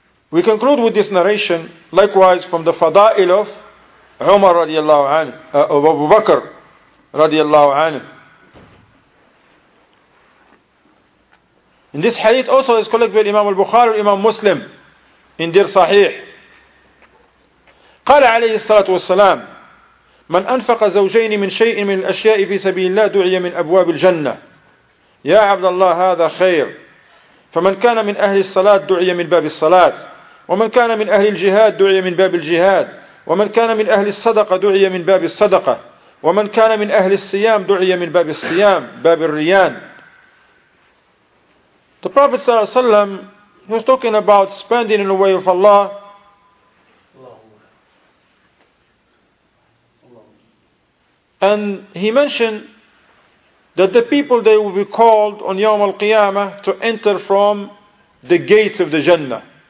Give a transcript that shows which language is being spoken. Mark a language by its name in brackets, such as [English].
[English] We conclude with this narration, likewise from the fada'il of Umar radiallahu anhu, of Abu Bakr radiallahu anhu. In this hadith also is collected by Imam al-Bukhari and Imam Muslim in Dir Sahih. [Arabic] قال عليه الصلاة والسلام من أنفق زوجين من شيء من الأشياء في سبيل الله دعي من أبواب الجنة. يا عبد الله هذا خير. فمن كان من أهل الصلاة دعي من باب الصلاة. ومن كان من أهل الجهاد دعي من باب الجهاد. ومن كان من أهل الصدقة دعي من باب الصدقة. ومن كان من أهل الصيام دعي من باب الصيام باب الريان. [English] The Prophet صلى الله عليه وسلم, he was talking about spending in the way of Allah. And he mentioned that the people they will be called on Yawm al-Qiyamah to enter from the gates of the Jannah.